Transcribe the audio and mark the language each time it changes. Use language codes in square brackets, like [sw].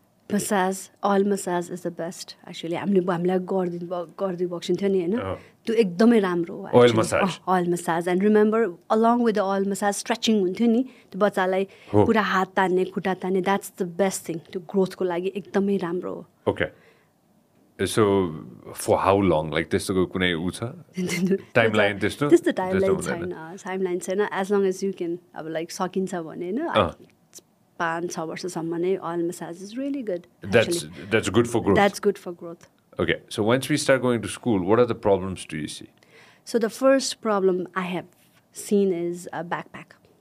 [en] Massage, oil massage is the best actually. [ne] हामीलाई गरिदिनु भएको थियो नि होइन, त्यो एकदमै राम्रो हो. [en] oil massage and remember along with the oil massage stretching [ne] हुन्थ्यो नि त्यो बच्चालाई, पुरा हात तान्ने, खुट्टा तान्ने, [en] That's the best thing. [ne] त्यो ग्रोथको लागि एकदमै राम्रो हो. [en] okay, so for how long, like [ne] त्यस्तोको कुनै ऊ छ टाइमलाइन? त्यस्तो त्यस्तो टाइमलाइन छैन, [en] as long as you can, [ne] अब लाइक सकिन्छ भने होइन, 5-6 वर्षसम्म नै [en] Oil massage is really good. That's good for growth. That's good for growth. Okay, so once we start going to school, what are the problems do you see? So the first problem I have seen is a backpack.